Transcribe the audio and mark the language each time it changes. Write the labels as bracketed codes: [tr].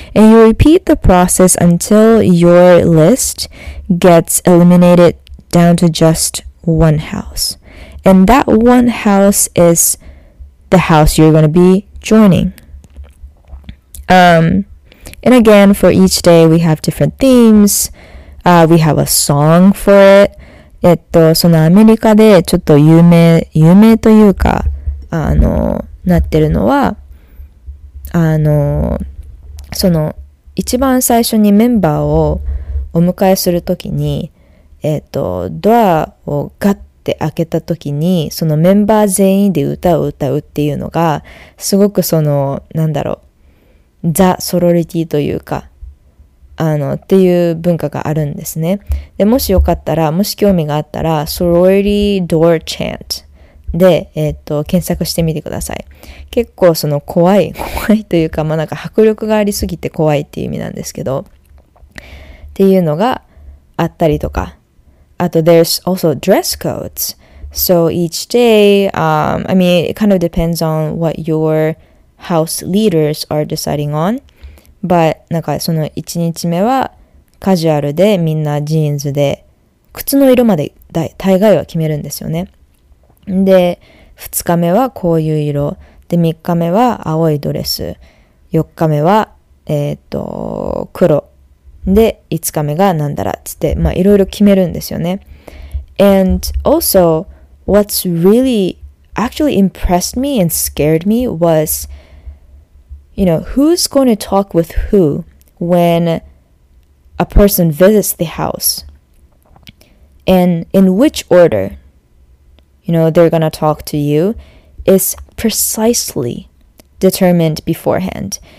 [en] And you repeat the process until your list gets eliminated down to just one house. And that one house is the house you're going to be joining. And again, for each day we have different themes. We have a song for it. [ja] そのアメリカでちょっと有名というか、なってるのは、その一番最初にメンバーをお迎えするときに、ドアをガッて開けたときにそのメンバー全員で歌を歌うっていうのがすごくそのなんだろうザ・ソロリティというかっていう文化があるんですね。でもしよかったら、もし興味があったら、ソロリドアチャントで、検索してみてください。結構その怖いというか、まあ、なんか迫力がありすぎて怖いっていう意味なんですけど、っていうのがあったりとか。 [en] あと、there's also dress codes. So each day, I mean, it kind of depends on what your house leaders are deciding on. [ja] But, なんかその1日目はカジュアルでみんなジーンズで、靴の色まで大概は決めるんですよね。で、2日目はこういう色。で、3日目は青いドレス。 4日目は、黒。で、5日目がなんだらっつって、まあ、いろいろ決めるんですよね。 [en] And also, what's really actually impressed me and scared me was, you know, who's going to talk with who when a person visits the house? And in which order, you know, they're going to talk to you is precisely determined beforehand.